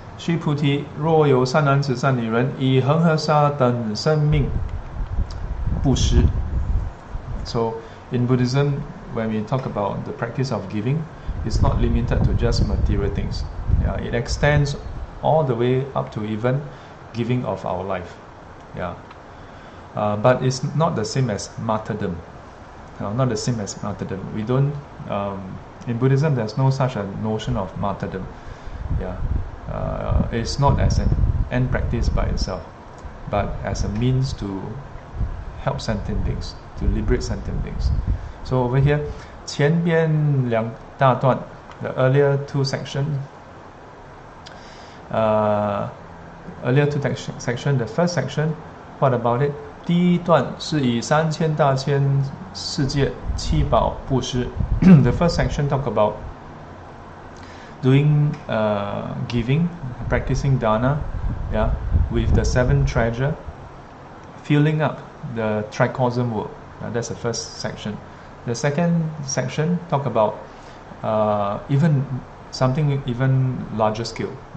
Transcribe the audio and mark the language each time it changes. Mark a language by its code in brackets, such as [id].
[zh] 须菩提, 若有善男子善女人, 以恒河沙等生命, 布施. [en] So in Buddhism, when we talk about the practice of giving, it's not limited to just material things. Yeah, it extends all the way up to even giving of our life. Yeah. But it's not the same as martyrdom. Not the same as martyrdom. We don't, in Buddhism, there's no such a notion of martyrdom. Yeah. It's not as an end practice by itself, but as a means to help sentient beings, to liberate sentient beings. So over here, [zh] 前边两大段, [en] the earlier two section, the first section, what about it? [zh] 第一段是以三千大千世界七宝布施. [en] The first section talk about doing giving, practicing dana, yeah, with the seven treasure, filling up the tricosm world. That's the first section. The second section talk about even something even larger scale.